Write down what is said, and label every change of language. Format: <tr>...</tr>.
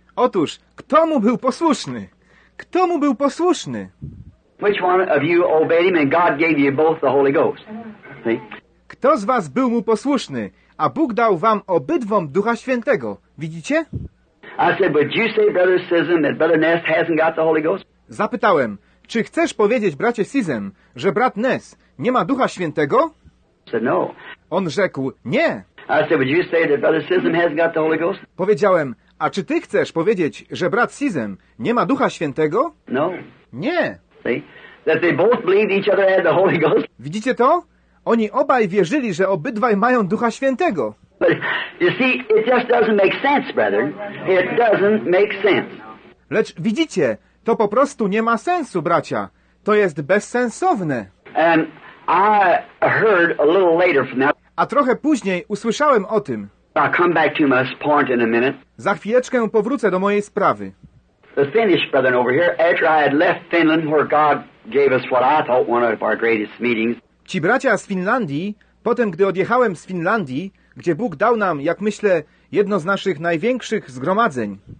<pl>Otóż, kto mu był posłuszny? Kto mu był posłuszny?</pl> <en>Which one of you obeyed him and God gave you both the Holy Ghost? See?</en> <pl>Kto z was był mu posłuszny, a Bóg dał wam obydwom Ducha Świętego? Widzicie?</pl> <en>I said, but you say, brother Sisson, that brother Nest hasn't got the Holy Ghost?</en> <pl>Zapytałem, czy chcesz powiedzieć, bracie Sisson, że brat Nest nie ma Ducha Świętego?</pl> <en>I said, no.</en> <pl>On rzekł, nie.</pl> <en>I said, but you say that brother Sisson hasn't got the Holy Ghost?</en> <pl>Powiedziałem, a czy ty chcesz powiedzieć, że brat Sisson nie ma Ducha Świętego?</pl> <en>No.</en> <pl>Nie.</pl> <en>See? That they both believed each other had the Holy Ghost?</en> <pl>Widzicie to? Oni obaj wierzyli, że obydwaj mają Ducha Świętego.</pl> <en>But, you see, it just doesn't make sense, brother. It doesn't make sense.</en> <pl>Lecz widzicie, to po prostu nie ma sensu, bracia. To jest bezsensowne.</pl> <en>And I heard a little later from that.</en> <pl>A trochę później usłyszałem o tym.</pl> <en>I'll come back to my point in a minute.</en> <pl>Za chwileczkę powrócę do mojej sprawy.</pl> <en>The Finnish brethren over here, after I had left Finland, where God gave us what I thought one of our greatest meetings.</en> <pl>Ci bracia z Finlandii, potem gdy odjechałem z Finlandii, gdzie Bóg dał nam, jak myślę, jedno z naszych największych zgromadzeń.</pl>